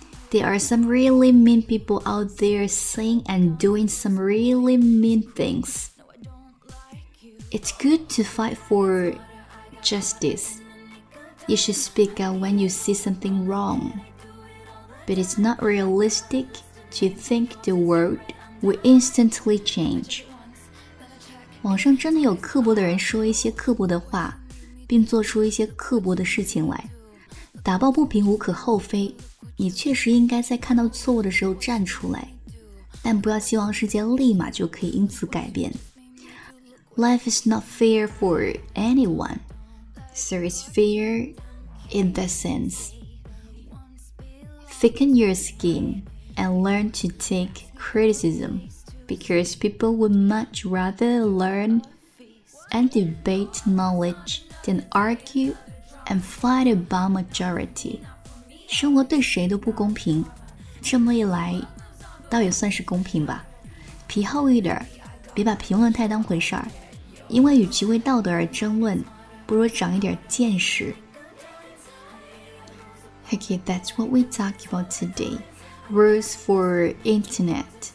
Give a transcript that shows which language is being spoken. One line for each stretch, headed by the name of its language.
English: There are some really mean people out there saying and doing some really mean things. It's good to fight for justice. You should speak out when you see something wrong. But it's not realistic to think the world will instantly change.
Chinese: 网上真的有刻薄的人说一些刻薄的话，并做出一些刻薄的事情来。打抱不平无可厚非，你确实应该在看到错误的时候站出来，但不要希望世界立马就可以因此改变。
English: Life is not fair for anyone, so it's fair in that sense. Thicken your skin and learn to take criticism, because people would much rather learn and debate knowledge than argue and fight about majority.
Chinese: 生活对谁都不公平，这么一来倒也算是公平吧。皮厚一点，别把评论太当回事儿，因为与其为道德而争论，不如长一点见识。
English: Okay, that's what we talk about today. Rules for internet.